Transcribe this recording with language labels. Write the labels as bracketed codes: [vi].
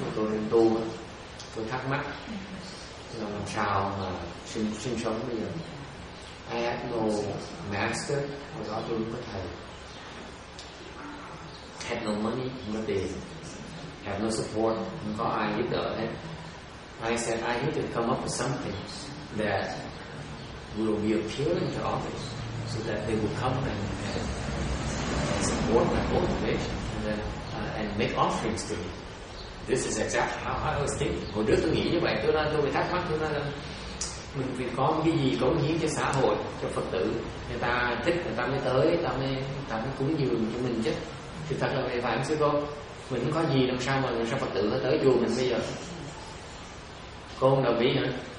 [vi] Tôi đến tu, tôi thắc mắc là làm sao mà sinh sống bây giờ. [en] I had no master, [vi] hồi đó tôi không có thầy. [en] Had no money, [vi] không có tiền. [en] Had no support, [vi] không có ai giúp đỡ hết. [en] I said I need to come up with something that will be appealing to others so that they will come and support my cultivation and make offerings to me. This is exactly how I was thinking. [vi] Hồi trước tôi nghĩ như vậy, tôi thắc mắc, tôi nói là mình vì có cái gì cống hiến cho xã hội, cho Phật tử, người ta thích, người ta mới tới, người ta mới cúng dường cho mình chứ. Thì thật là vậy, phải không sư cô? Mình không có gì làm sao mà sao Phật tử nó tới chùa mình bây giờ. Cô không đồng ý hả?